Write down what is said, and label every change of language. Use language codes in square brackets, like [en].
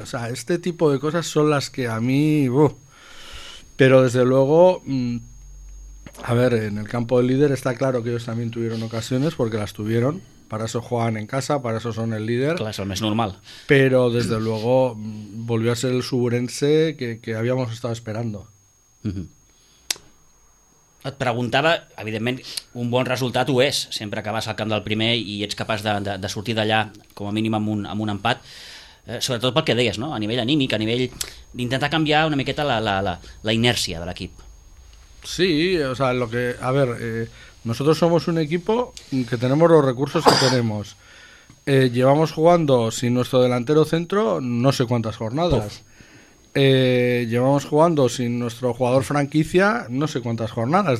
[es] O sea, este tipo de cosas son las que a mí... Uf. Pero desde luego... A ver, en el campo del líder está claro que ellos también tuvieron ocasiones, porque las tuvieron. Para eso juegan en casa, para eso son el líder. Claro, es normal. Pero desde luego volvió a ser el Sobrense que habíamos estado esperando. Uh-huh. [ca] Et preguntava, evidentment, un bon resultat ho és, sempre que vas al camp del primer i ets capaç de sortir d'allà com a mínim amb un empat. Sobretot pel que deies, no? A nivell anímic, a nivell d'intentar canviar una miqueta la inèrcia de l'equip. [es] Sí, o sea, lo que, a ver, nosotros somos un equipo que tenemos los recursos que tenemos. Llevamos jugando sin nuestro delantero centro no sé cuántas jornadas. Llevamos jugando sin nuestro jugador franquicia no sé cuántas jornadas.